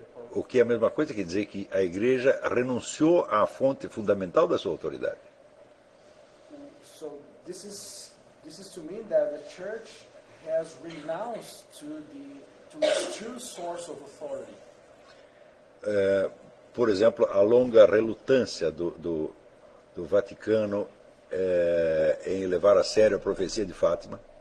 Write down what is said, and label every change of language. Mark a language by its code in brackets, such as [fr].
[pt] O que é a mesma coisa que dizer que a igreja renunciou à fonte fundamental da sua autoridade. [en] So this is to mean that the church has renounced to its true source of authority. [pt] Por exemplo, a longa relutância do Vaticano em levar a sério a profecia de Fátima.